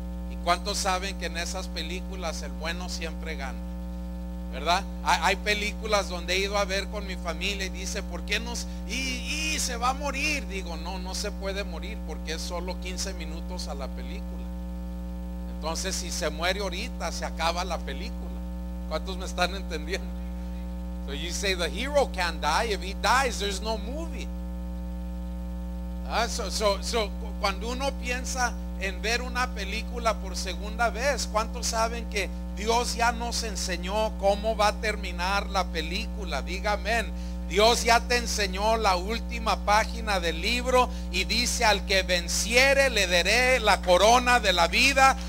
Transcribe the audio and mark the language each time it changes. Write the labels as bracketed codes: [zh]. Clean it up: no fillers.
[es] ¿Y cuántos saben que en esas películas el bueno siempre gana, verdad? Hay películas donde he ido a ver con mi familia y dice, ¿por qué nos? Y se va a morir. Digo, no se puede morir, porque es solo 15 minutos a la película. Entonces, si se muere ahorita, se acaba la película. ¿Cuántos me están entendiendo? [en] So you say the hero can't die. If he dies, there's no movie. [es] So cuando uno piensa en ver una película por segunda vez, ¿cuántos saben que Dios ya nos enseñó cómo va a terminar la película? Diga amén. Dios ya te enseñó la última página del libro y dice, al que venciere le daré la corona de la vida.